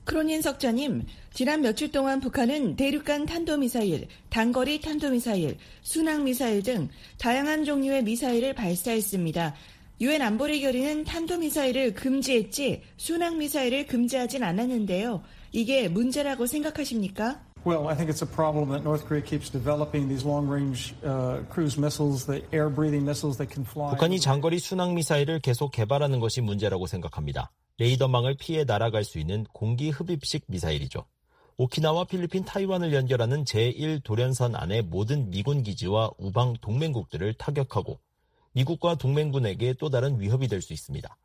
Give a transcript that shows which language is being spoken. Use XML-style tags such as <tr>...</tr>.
<ko>크로닌 석자님, 지난 며칠 동안 북한은 대륙간 탄도미사일, 단거리 탄도미사일, 순항미사일 등 다양한 종류의 미사일을 발사했습니다. 유엔 안보리 결의는 탄도미사일을 금지했지 순항미사일을 금지하진 않았는데요. 이게 문제라고 생각하십니까?</ko> <en>Well, I think it's a problem that North Korea keeps developing these long-range cruise missiles, the air-breathing missiles that can fly.</en> <ko>북한이 장거리 순항 미사일을 계속 개발하는 것이 문제라고 생각합니다. 레이더망을 피해 날아갈 수 있는 공기 흡입식 미사일이죠. 오키나와 필리핀 타이완을 연결하는 제1 도련선 안에 모든 미군 기지와 우방 동맹국들을 타격하고 미국과 동맹군에게 또 다른 위협이 될 수 있습니다.</ko>